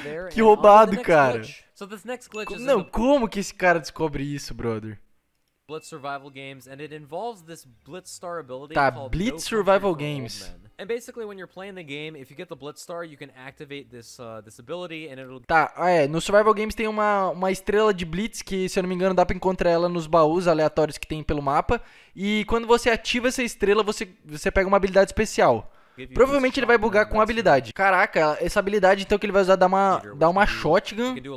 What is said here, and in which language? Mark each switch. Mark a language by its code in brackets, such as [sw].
[pt] Que roubado, cara! Não, como que esse cara descobre isso, brother? [en] Blitz Survival Games, and it involves this Blitz Star ability. [pt] Tá, Blitz Survival Games. [en] And basically, when you're playing the game, if you get the Blitz Star, you can activate this this ability, and it'll. [pt] Tá, é, no Survival Games tem uma estrela de Blitz que, se eu não me engano, dá pra encontrar ela nos baús aleatórios que tem pelo mapa. E quando você ativa essa estrela, você pega uma habilidade especial. Provavelmente ele vai bugar com a habilidade. Caraca, essa habilidade então que ele vai usar dá uma shotgun.